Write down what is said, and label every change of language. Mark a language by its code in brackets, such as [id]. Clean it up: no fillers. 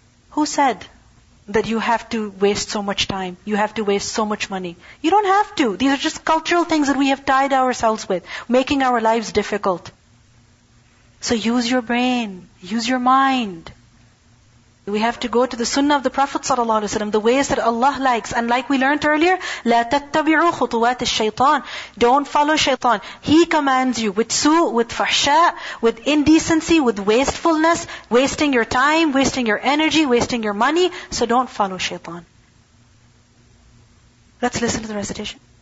[en] Who said that you have to waste so much time, you have to waste so much money? You don't have to. These are just cultural things that we have tied ourselves with, making our lives difficult. So use your brain, use your mind. We have to go to the sunnah of the Prophet ﷺ, the ways that Allah likes. [ar] And like we learned earlier, لا تتبعوا خطوات الشيطان. [en] Don't follow shaitan. He commands you with su, with fahsha, with indecency, with wastefulness, wasting your time, wasting your energy, wasting your money. So don't follow shaitan. Let's listen to the recitation.